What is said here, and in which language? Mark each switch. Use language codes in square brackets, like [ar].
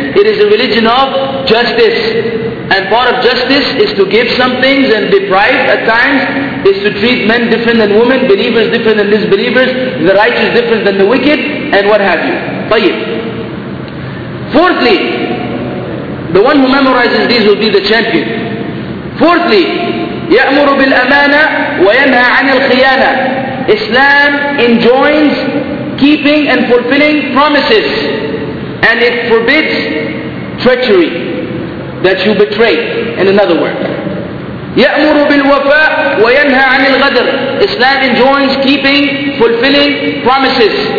[en] It is a religion of justice. And part of justice is to give some things and deprive at times. Is to treat men different than women, believers different than disbelievers, the righteous different than the wicked, and what have you. Tayyib. Fourthly, the one who memorizes these will be the champion. Fourthly, [ar] يَأْمُرُ بِالْأَمَانَةِ وَيَنْهَى عَنِ الْخِيَانَةِ. [en] Islam enjoins keeping and fulfilling promises, and it forbids treachery, that you betray, in another word. [ar] يَأْمُرُ بِالْوَفَاءِ وَيَنْهَى عَنِ الْغَدْرِ. [en] Islam enjoins keeping, fulfilling promises.